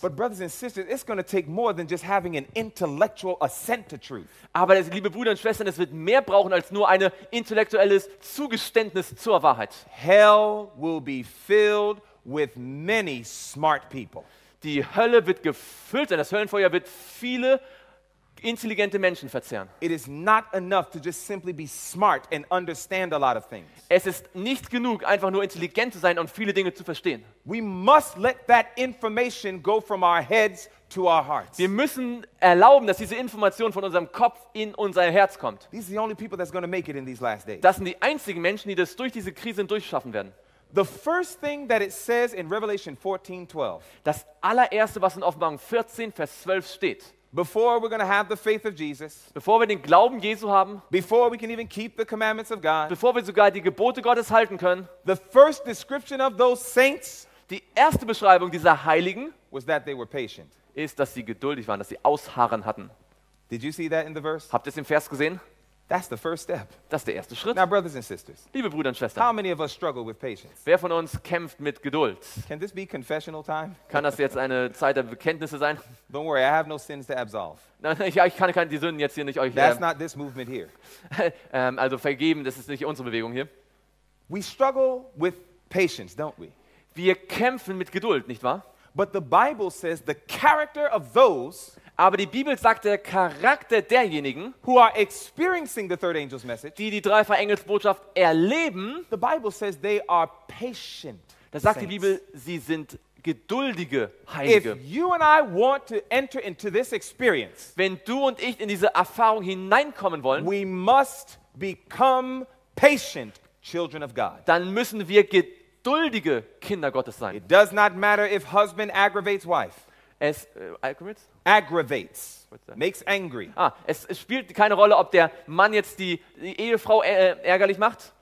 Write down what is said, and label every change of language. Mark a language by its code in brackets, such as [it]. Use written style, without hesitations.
[en] But brothers and sisters, it's going to take more than just having an intellectual assent to truth. [de] Aber liebe Brüder und Schwestern, es wird mehr brauchen als nur ein intellektuelles Zugeständnis zur Wahrheit. [en] Hell will be filled with many smart people. [de] Die Hölle wird gefüllt sein, das Höllenfeuer wird viele intelligente Menschen verzehren. [en] It is not enough to just simply be smart and understand a lot of things. [de] Es ist nicht genug, einfach nur intelligent zu sein und viele Dinge zu verstehen. [en] We must let that information go from our heads to our hearts. [de] Wir müssen erlauben, dass diese Information von unserem Kopf in unser Herz kommt. [en] These are the only people that's going to make it in these last days. [de] Das sind die einzigen Menschen, die das durch diese Krise durchschaffen werden. [en] The first thing that it says in Revelation 14:12. [de] Das allererste, was in Offenbarung 14 Vers 12 steht. [en] Before we're going to have the faith of Jesus, [de] bevor wir den Glauben Jesu haben, [en] before we can even keep the commandments of God, [de] bevor wir sogar die Gebote Gottes halten können, [en] the first description of those saints, [de] die erste Beschreibung dieser Heiligen, [en] was that they were patient, [de] ist, dass sie geduldig waren, dass sie Ausharren hatten. [en] Did you see that in the verse? [de] Habt ihr es im Vers gesehen? [en] That's the first step. [de] Das ist der erste Schritt. [en] Now, brothers and sisters, [de] liebe Brüder und Schwestern, [en] how many of us struggle with patience? [de] Wer von uns kämpft mit Geduld? [en] Can this be confessional time? [de] Kann das jetzt eine Zeit der Bekenntnisse sein? [en] Don't worry, I have no sins to absolve. [de] Ich kann keine Sünden jetzt hier nicht euch. [en] That's not this movement here. [de] Also vergeben, das ist nicht unsere Bewegung hier. [en] We struggle with patience, don't we? [de] Wir kämpfen mit Geduld, nicht wahr? [en] But the Bible says the character of those. [de] Aber die Bibel sagt, der Charakter derjenigen, [en] who are experiencing the third angel's message, [de] die dreifache Engelsbotschaft erleben, [en] the Bible says they are patient. [de] Da sagt die Bibel, sie sind geduldige Heilige. [en] If you and I want to enter into this experience, [de] wenn du und ich in diese Erfahrung hineinkommen wollen, [en] we must become patient children of God. [de] Dann müssen wir geduldige Kinder Gottes sein. [en] It does not matter if husband aggravates wife. [de] Es [en] aggravates, makes angry. [de] Ah, es spielt keine Rolle, ob der Mann jetzt die Ehefrau ärgerlich macht.